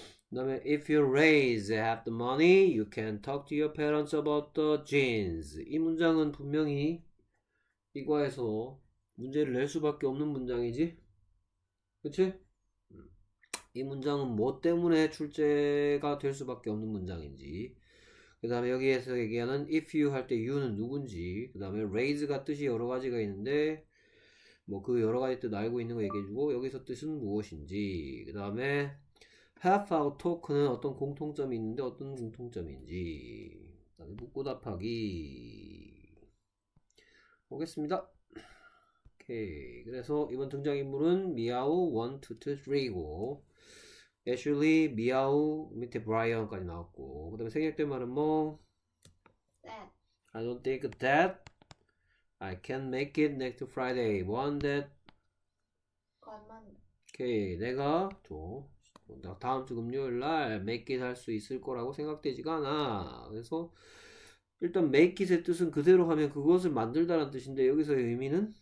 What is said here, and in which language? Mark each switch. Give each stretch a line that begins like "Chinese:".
Korean: 그 다음에
English: if you raise have the money, you can talk to your parents about the jeans.
Korean: 이 문장은 분명히 이과에서 문제를 낼 수밖에 없는 문장이지. 그치? 이 문장은 뭐 때문에 출제가 될 수밖에 없는 문장인지. 그 다음에 여기에서 얘기하는 if you 할 때 you는 누군지. 그 다음에 raise가 뜻이 여러 가지가 있는데, 뭐 그 여러 가지 뜻 알고 있는 거 얘기해주고, 여기서 뜻은 무엇인지. 그 다음에 have our talk는 어떤 공통점이 있는데 어떤 공통점인지. 그 다음에 묻고 답하기. 보겠습니다. 오케이. 그래서 이번 등장인물은 미아우 1, 2, 3고, 애슐리, 미아우, 밑에 브라이언까지 나왔고, 그 다음에 생략된 말은 뭐?
English: That. I don't think that I can make it next Friday. One that.
Korean: 가만. 오케이. 내가 저 다음 주 금요일날 make it 할 수 있을 거라고 생각되지가 않아. 그래서 일단 make it의 뜻은 그대로 하면 그것을 만들다라는 뜻인데, 여기서의 의미는?